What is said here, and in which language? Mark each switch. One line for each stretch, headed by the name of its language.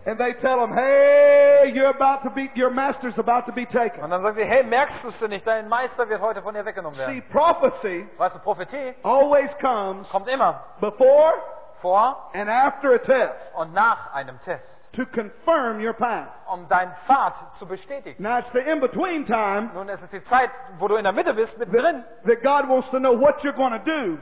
English: And they tell him, "Hey, you're about to be, your master's about to be taken."
German: Und dann sagen sie, hey, merkst du es nicht? Dein Meister wird heute von dir weggenommen werden.
English: See, prophecy,
German: weißt du, Prophetie,
English: always comes,
German: kommt immer,
English: before,
German: vor,
English: and after a test,
German: und nach einem Test.
English: To confirm your path.
German: Um deinen Pfad zu bestätigen.
English: Now it's the in-between time.
German: Nun, es ist die Zeit, wo du in der Mitte bist, mit drin.
English: That God wants to know what you're going to do.